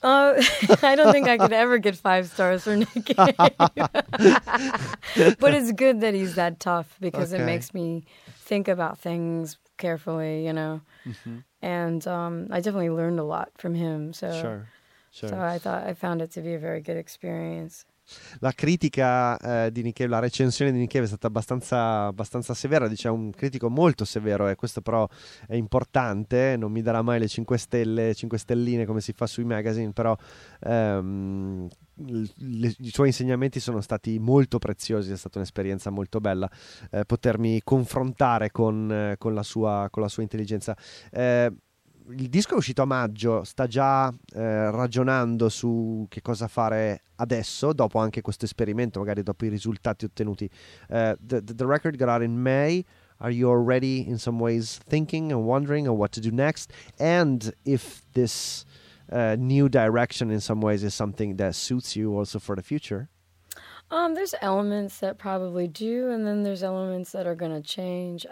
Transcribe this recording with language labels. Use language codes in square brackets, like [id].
[en] I don't think I could ever get 5 stars for Nick. But it's good that he's that tough, because it makes me think about things carefully, you know. Mm-hmm. And I definitely learned a lot from him. So, sure. So I found it to be a very good experience. [it] La critica di Nick Cave, la recensione di Nick Cave è stata abbastanza severa, dice, un critico molto severo, e questo però è importante, non mi darà mai le 5 stelline come si fa sui magazine, però i suoi insegnamenti sono stati molto preziosi, è stata un'esperienza molto bella potermi confrontare con la sua intelligenza. il disco è uscito a maggio, sta già ragionando su che cosa fare adesso, dopo anche questo esperimento, magari dopo i risultati ottenuti. [en] The record got out in May. Are you already in some ways thinking and wondering on what to do next? And if this new direction in some ways is something that suits you also for the future? There's elements that probably do, and then there's elements that are going to change. Mm.